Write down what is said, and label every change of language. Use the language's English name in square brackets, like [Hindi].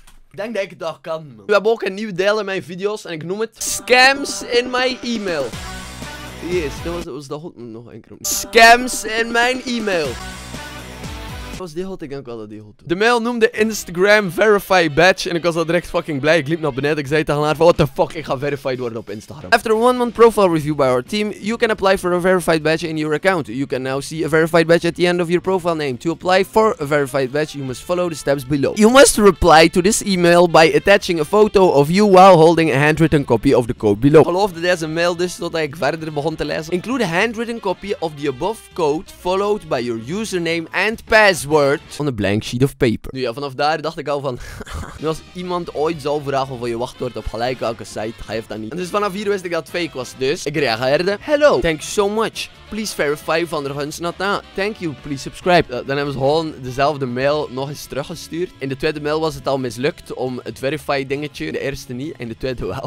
[Dutch] Ik denk dat ik het al kan, man. We hebben ook een nieuw deel in mijn video's en ik noem het Scams in mijn e-mail. Yes, dat was dat goed. Nog een keer. Scams in mijn e-mail. Was die hot? Ik denk wel dat die hot was. De mail noemde Instagram Verify Badge en ik was al direct fucking blij. Ik liep naar beneden. Ik zei tegen haar van, [English] what the fuck, [Dutch] ik ga verified worden op Instagram. [English] After a 1 month profile review by our team, you can apply for a verified badge in your account. You can now see a verified badge at the end of your profile name. To apply for a verified badge, you must follow the steps below. You must reply to this email by attaching a photo of you while holding a handwritten copy of the code below. [Dutch] Geloof dat deze mail dus totdat ik verder begon te lezen. [English] Include a handwritten copy of the above code followed by your username and password. Word on a blank sheet of paper. [Dutch] Nu ja, vanaf daar dacht ik al van nu als iemand ooit zou vragen of je wachtwoord op gelijk welke site, ga je dat niet. En dus vanaf hier wist ik dat het fake was, dus ik reageerde: [English] hello, thank you so much, please verify van der Guns Nata, thank you, please subscribe. [Dutch] Dan hebben ze gewoon dezelfde mail nog eens teruggestuurd. In de tweede mail was het al mislukt om het verify dingetje, de eerste niet, en de tweede wel.